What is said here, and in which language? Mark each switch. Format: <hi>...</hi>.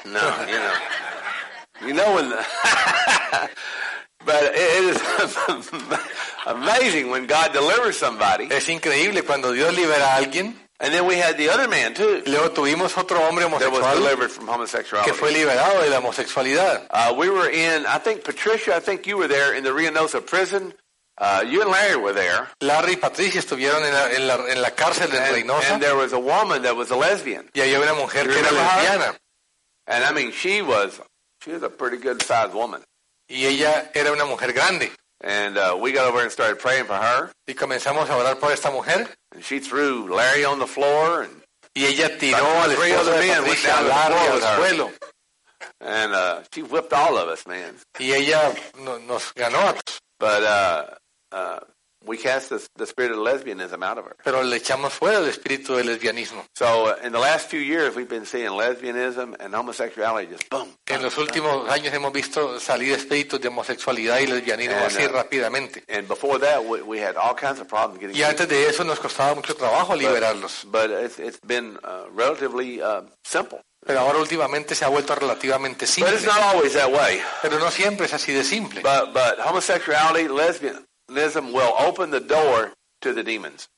<en>No, you know when but it is amazing when God delivers somebody.</en> <es>Es increíble cuando Dios libera a alguien.</es> <en>And then we had the other man too.</en> <es>Luego tuvimos otro hombre homosexual.</es> <en>That was delivered from homosexuality.</en> <es>Que fue liberado de la homosexualidad.</es> <en>We were in, I think you were there in the Reynosa prison. You and Larry were there.</en> <es>Larry y Patricia estuvieron en la cárcel de Reynosa.</es> <en>And there was a woman that was a lesbian.</en> <es>Y había una mujer que era lesbiana.</es> <en>And I mean, she was a pretty good sized woman.</en> <es>Y ella era una mujer grande.</es> <en>And we got over and started praying for her.</en> <es>Y comenzamos a orar por esta mujer.</es> <en>And she threw Larry on the floor. And</en> <es>y ella tiró al esposo de Patricia, Larry, al suelo.</es> <en>And she whipped all of us, man.</en> <es>Y ella nos ganó a todos.</es> <en>But we cast the spirit of lesbianism out of her.</en> <es>Pero le echamos fuera el espíritu del lesbianismo.</es> <en>So in the last few years we've been seeing lesbianism and homosexuality just boom.</en> <es>En los últimos años hemos visto salir espíritus de homosexualidad y lesbianismo así rápidamente.</es> <en>And before that we had all kinds of problems getting.</en> <es>Y antes de eso nos costaba mucho trabajo liberarlos.</es> <en>But it's been relatively simple.</en> <es>Pero ahora últimamente se ha vuelto relativamente simple.</es> <en>But it's not always that way.</en> <es>Pero no siempre es así de simple.</es> <en>But homosexuality, lesbianism will open the door to the demons.</en>